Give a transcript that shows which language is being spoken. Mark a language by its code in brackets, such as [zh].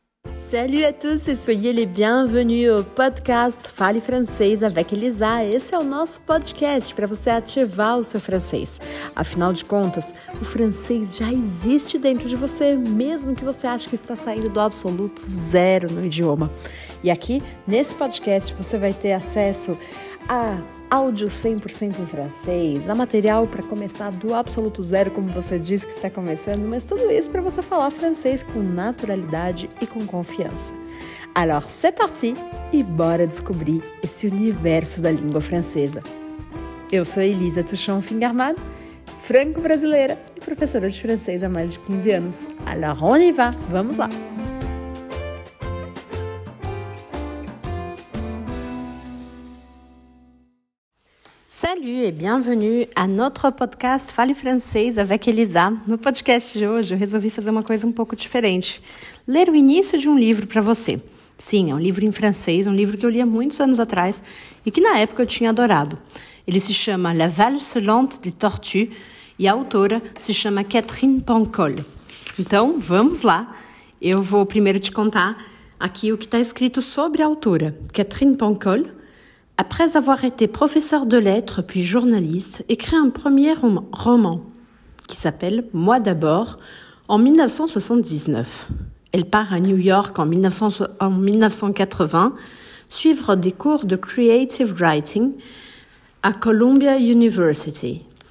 [fr] Salut à tous et soyez les bienvenus au podcast Fale Francês avec Elisa. [pt] Esse é o nosso podcast para você ativar o seu francês. Afinal de contas, o francês já existe dentro de você, mesmo que você ache que está saindo do absoluto zero no idioma. E aqui, nesse podcast, você vai ter acesso a áudio 100% em francês, a material para começar do absoluto zero, como você disse que está começando, mas tudo isso para você falar francês com naturalidade e com confiança. [fr] Alors, c'est parti [pt] e bora descobrir esse universo da língua francesa. Eu sou Elisa Touchon Fingarmad, franco-brasileira e professora de francês há mais de 15 anos. [fr] Alors, on y va, [pt] vamos lá! [fr] Salut et bienvenue à notre podcast Fale Francês avec Elisa. [pt] No podcast de hoje, eu resolvi fazer uma coisa um pouco diferente. Ler o início de um livro para você. Sim, é um livro em francês, um livro que eu lia muitos anos atrás e que na época eu tinha adorado. Ele se chama La valse lente des tortues e a autora se chama Catherine Pancol. Então, vamos lá. Eu vou primeiro te contar aqui o que está escrito sobre a autora, Catherine Pancol. [fr] Après avoir été professeur de lettres puis journaliste, écrit un premier roman qui s'appelle « Moi d'abord » en 1979. Elle part à New York en 1980 suivre des cours de creative writing à Columbia University.